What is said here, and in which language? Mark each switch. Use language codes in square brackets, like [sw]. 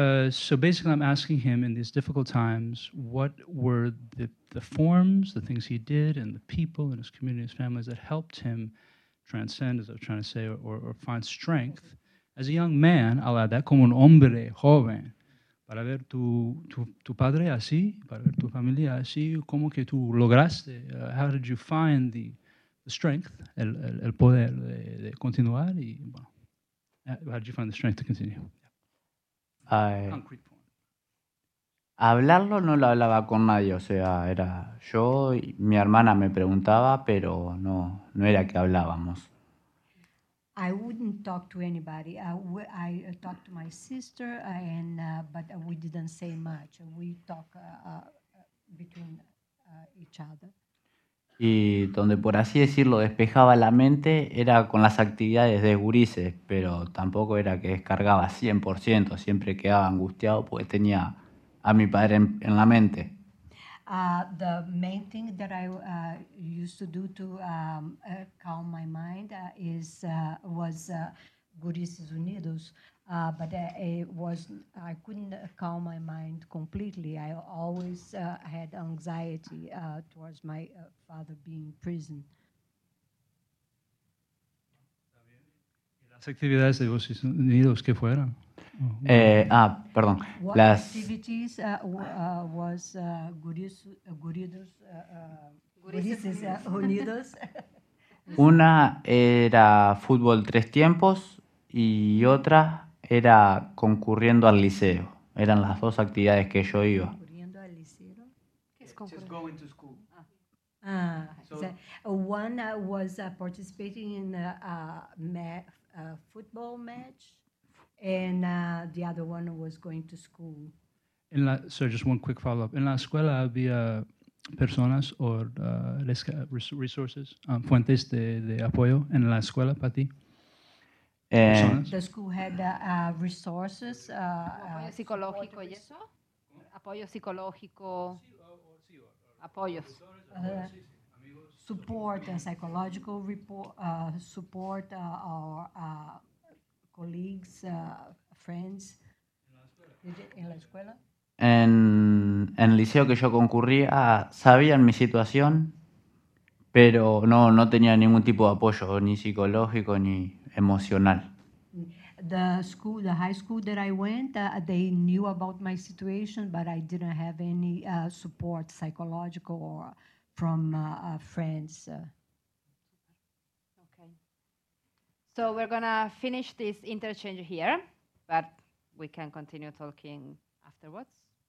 [en] So basically I'm asking him in these difficult times, what were the forms, the things he did, and the people in his community, his families that helped him transcend, as I was trying to say, or find strength as a young man, I'll add that, [es] como un hombre joven, para ver tu padre así, para ver tu familia así, como que tú lograste, [en] how did you find the strength, [es] el poder de continuar, y bueno, [en] how did you find the strength to continue? [es] Hablarlo no lo hablaba con nadie, o sea, era yo y mi hermana me preguntaba, pero no era que hablábamos. [en] I wouldn't talk to anybody. I talked to my sister, but we didn't say much. We talked between each other. [es] Y donde, por así decirlo, despejaba la mente era con las actividades de gurises, pero tampoco era que descargaba 100%, siempre quedaba angustiado porque tenía a mi padre en la mente. [en] The main thing that I used to do to calm my mind was Gurises Unidos, but I couldn't calm my mind completely. I always had anxiety towards my father being in prison. [es] Las actividades de Gurises Unidos, ¿qué fueron? Perdón. [en] What [es] las [en] activities was Gurises Unidos? [es] Una era fútbol tres tiempos y otra era concurriendo al liceo. Eran las dos actividades que yo iba. ¿Concurriendo al liceo? ¿Qué es concurriendo? [en] Just going to school. One was participating in a football match. And the other one was going to school. Just one quick follow-up. [es] En la escuela había personas o resources, fuentes de apoyo en la escuela para ti. [en] The school had resources. [es] Apoyo psicológico y eso. Apoyo psicológico. Apoyos. [en] Support, psychological report, support our colleagues, friends. [es] En la escuela. En el liceo que yo concurría, sabían mi situación, pero no tenía ningún tipo de apoyo, ni psicológico ni emocional. [en] The school, the high school that I went, they knew about my situation, but I didn't have any support, psychological or from friends. Okay. So we're gonna finish this interchange here, but we can continue talking afterwards.